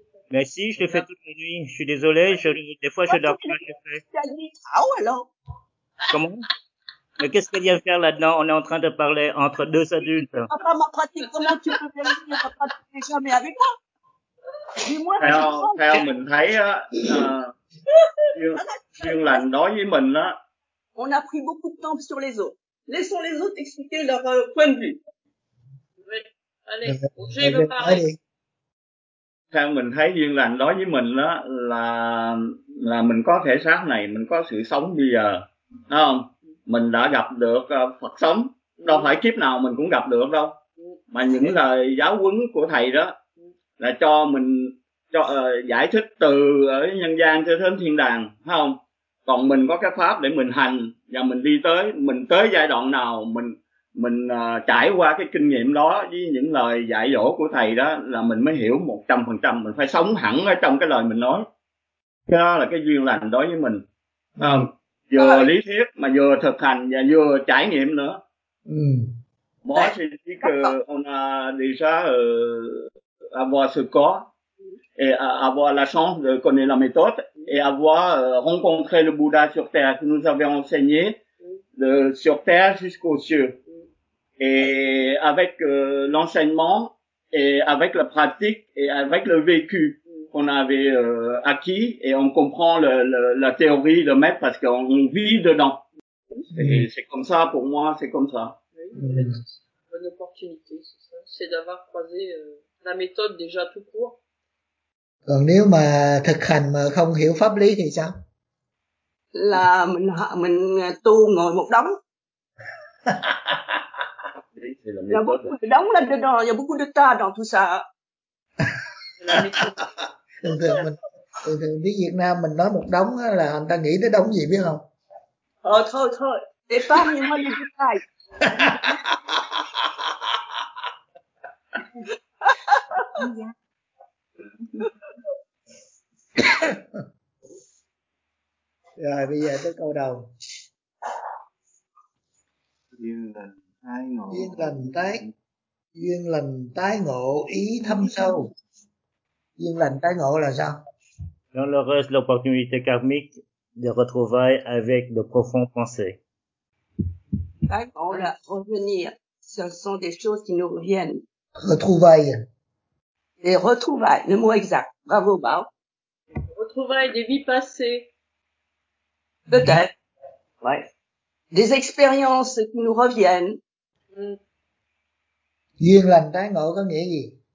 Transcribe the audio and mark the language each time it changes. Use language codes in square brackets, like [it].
[fr] Mais si, je le fais toutes les nuits. Je suis désolé, des fois je dors pas. Ah ouais, alors. Comment? Mais qu'est-ce qu'elle vient faire là-dedans? On est en train de parler entre deux adultes. Après ma pratique, comment tu peux venir ne pas pratiquer jamais avec moi? Dis-moi, [vi] Theo mình thấy á, chuyên lành đối với mình á. [fr] On a pris beaucoup de temps sur les autres. Laissons les autres expliquer leur point de vue. Oui. Allez, j'ai veux parler. [vi] Theo mình thấy duyên lành đối với mình á là mình có thể xác này, mình có sự sống bây giờ, đúng không? Mình đã gặp được Phật sống, đâu phải kiếp nào mình cũng gặp được đâu. Mà những lời giáo huấn của thầy đó là cho mình cho giải thích từ ở nhân gian cho đến thiên đàng, phải không? Còn mình có cái pháp để mình hành và mình đi tới, mình tới giai đoạn nào mình trải qua cái kinh nghiệm đó với những lời dạy dỗ của thầy đó là mình mới hiểu 100%, mình phải sống hẳn ở trong cái lời mình nói. Cái đó là cái duyên lành đối với mình, phải không? Vừa lý thuyết mà vừa thực hành và vừa trải nghiệm nữa. [fr] Moi je dis que on a déjà avoir ce corps et avoir la chance de connaître la méthode et avoir rencontré le Bouddha sur terre qui nous avait enseigné de sur terre jusqu'aux cieux. Et avec l'enseignement et avec la pratique et avec le vécu qu'on avait acquis, et on comprend la théorie de maître parce qu'on vit dedans. C'est comme ça pour moi, c'est comme ça. Oui, bonne opportunité, c'est ça. C'est d'avoir croisé la méthode déjà tout court. [vi] Còn nếu mà thực hành mà không hiểu pháp lý thì sao? Là mình tu ngồi một đống. [fr] Il y a beaucoup de dons là-dedans, il y a beaucoup de tas dans tout ça. [vi] Thường thường đi Việt Nam mình nói một đống là người ta nghĩ tới đống gì biết không? Thôi, để phát nhiều hơn những cái. Rồi bây giờ tới câu đầu. Duyên lành tái ngộ ý thâm sâu. Duyên lành tái ngộ là sao? [fr] Dans le reste, l'opportunité karmique de retrouvailles avec de profondes pensées. [vi] Tái ngộ là revenir. [fr] Ce sont des choses qui nous reviennent. Retrouvailles. Les retrouvailles, le mot exact. Bravo, Bao. Retrouvailles des vies passées. Peut-être. Ouais. Des expériences qui nous reviennent. [vi] Duyên lành tái ngộ có nghĩa gì?